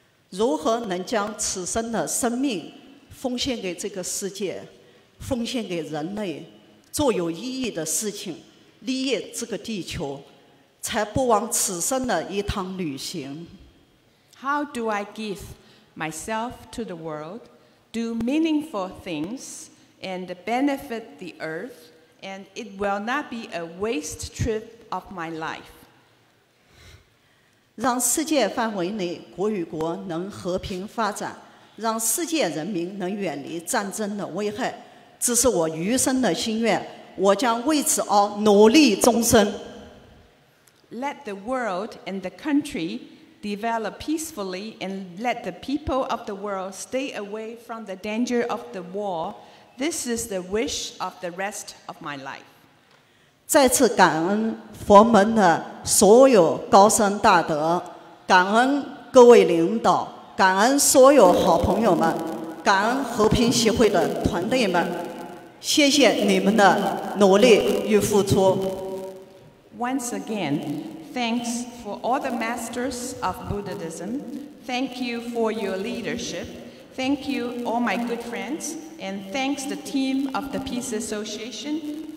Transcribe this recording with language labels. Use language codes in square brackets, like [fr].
[zh] 如何能将此生的生命奉献给这个世界，奉献给人类，做有意义的事情，利益这个地球，才不枉此生的一趟旅行。 [en] How do I give myself to the world, do meaningful things, and benefit the earth, and it will not be a waste trip of my life? [zh] 让世界范围内国与国能和平发展，让世界人民能远离战争的危害，这是我余生的心愿，我将为此而努力终身。 [en] Let the world and the country develop peacefully and let the people of the world stay away from the danger of the war. This is the wish of the rest of my life. [zh] 再次感恩佛门的所有高僧大德，感恩各位领导，感恩所有好朋友们，感恩和平协会的团队们，谢谢你们的努力与付出。 [en] Once again, thanks for all the masters of Buddhism. Thank you for your leadership. Thank you all my good friends. And thanks the team of the Peace Association.